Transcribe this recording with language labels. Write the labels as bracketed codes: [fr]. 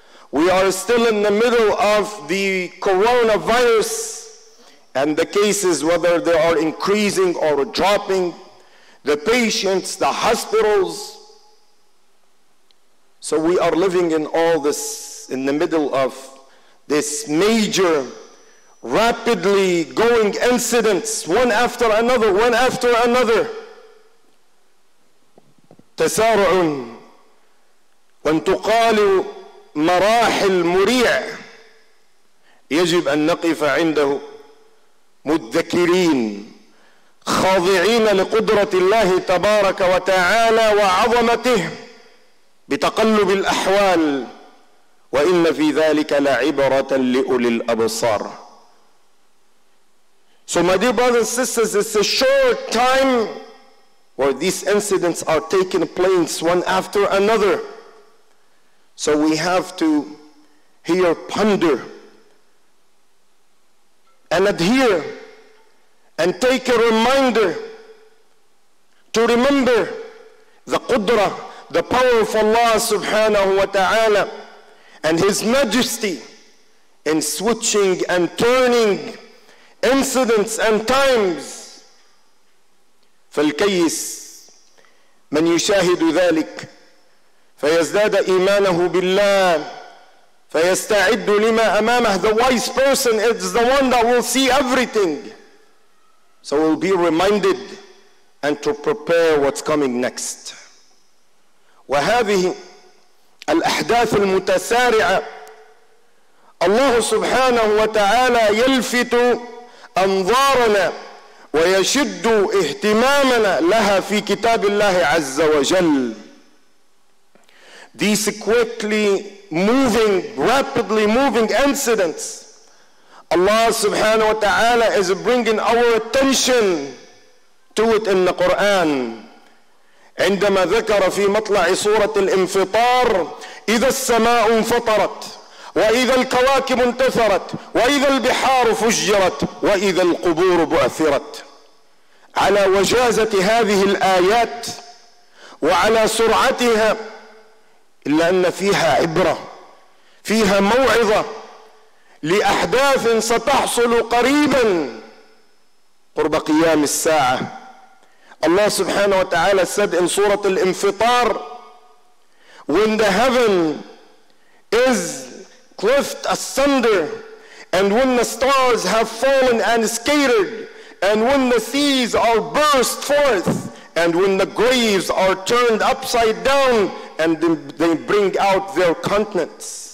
[en] We are still in the middle of the coronavirus and the cases, whether they are increasing or dropping, the patients, the hospitals. So we are living in all this, in the middle of this major, rapidly going incidents, one after another, one after another. [ar] تسارع وانتقال مراحل مريع يجب أن نقف عنده مذكرين خاضعين لقدرة الله تبارك وتعالى وعظمته بتقلب الأحوال، وإن في ذلك لعبرة لأولي الأبصار. [en] So my dear brothers and sisters, it's a short time where these incidents are taking place one after another. So we have to here ponder and adhere and take a reminder to remember the Qudra, the power of Allah subhanahu wa ta'ala, and His majesty in switching and turning incidents and times. [ar] فالكيس من يشاهد ذلك فيزداد إيمانه بالله فيستعد لما أمامه. [en] The wise person is the one that will see everything, so will be reminded and to prepare what's coming next. [ar] وهذه الأحداث المتسارعة الله سبحانه وتعالى يلفت أنظارنا ويشد اهتمامنا لها في كتاب الله عز وجل. [en] These quickly moving, rapidly moving incidents, Allah subhanahu wa ta'ala is bringing our attention to it in the Quran. [ar] عندما ذكر في مطلع سورة الانفطار: إذا السماء انفطرت، وإذا الكواكب انتثرت، وإذا البحار فجرت، وإذا القبور بعثرت. على وجازة هذه الآيات وعلى سرعتها، إلا أن فيها عبرة، فيها موعظة لأحداث ستحصل قريبا قرب قيام الساعة. الله سبحانه وتعالى استدعي سورة الانفطار: [en] When the heaven is cleft asunder, and when the stars have fallen and scattered, and when the seas are burst forth, and when the graves are turned upside down, and they bring out their countenance.